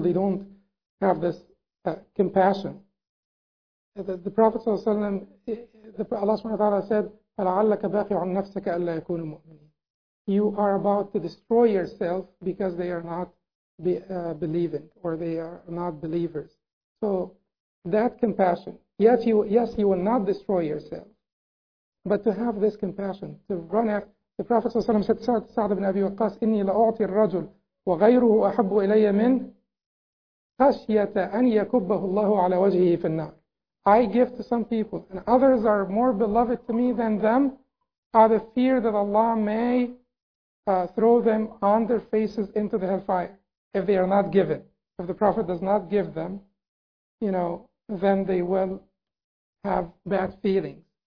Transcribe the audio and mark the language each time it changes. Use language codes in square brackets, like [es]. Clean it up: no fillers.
[en] They don't have this compassion. The Prophet ﷺ, Allah subhanahu wa ta'ala said, [ar] فَلَعَلَّكَ بَاخِعٌ نَفْسَكَ أَلَّا يَكُونُ مُؤْمِنِينَ. [en] You are about to destroy yourself because they are not believing, or they are not believers. So that compassion, yes, you will not destroy yourself, but to have this compassion, to run after. The Prophet ﷺ said, Sa'd ibn Abi Waqqas, [ar] إِنِّي لَأُعْطِي الرَّجُلُ وَغَيْرُهُ أَحَبُّ إِلَيَّ مِنْ خَشْيَةَ أَنْ يَكُبَّهُ اللَّهُ عَلَى وَجْهِهِ فِي النَّارِ. [en] I give to some people, and others are more beloved to me than them, out of fear that Allah may throw them on their faces into the hellfire. if they are not given, if the Prophet does not give them, you know, then they will have bad feelings.